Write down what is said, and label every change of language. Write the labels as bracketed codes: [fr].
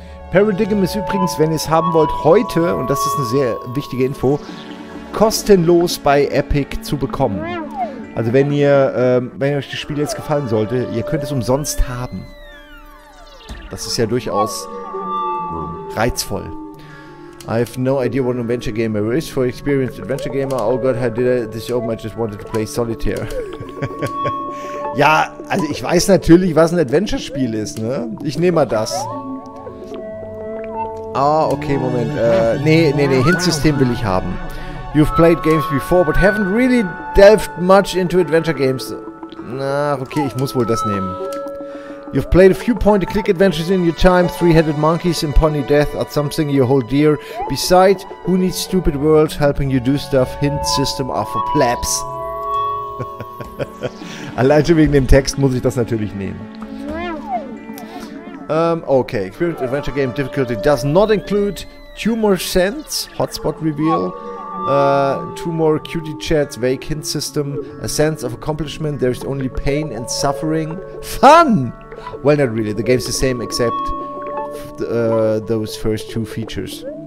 [de] Paradigm ist übrigens, wenn ihr es haben wollt, heute, und das ist eine sehr wichtige Info, kostenlos bei Epic zu bekommen. Also wenn ihr, wenn euch das Spiel jetzt gefallen sollte, ihr könnt es umsonst haben. Das ist ja durchaus reizvoll. [en] I have no idea what an adventure gamer is. For experienced adventure gamer, oh god, how did I this open? I just wanted to play solitaire. [de] Ja, also ich weiß natürlich, was ein Adventure-Spiel ist, ne? Ich nehme mal das. Ah, okay, Moment. Nee, Hint-System will ich haben. [en] You've played games before, but haven't really delved much into adventure games. [de] Na, okay, ich muss wohl das nehmen. [en] You've played a few point-and-click adventures in your time. Three-headed monkeys and pony death are something you hold dear. Besides, who needs stupid world helping you do stuff? Hint system are for plebs. [de] Allein schon wegen dem Text muss ich das natürlich nehmen. Okay. [en] Experience adventure game difficulty does not include tumor sense, hotspot reveal, two more cutie chats, vague hint system, a sense of accomplishment, there is only pain and suffering. Fun! Well, not really. The game's the same except those first two features.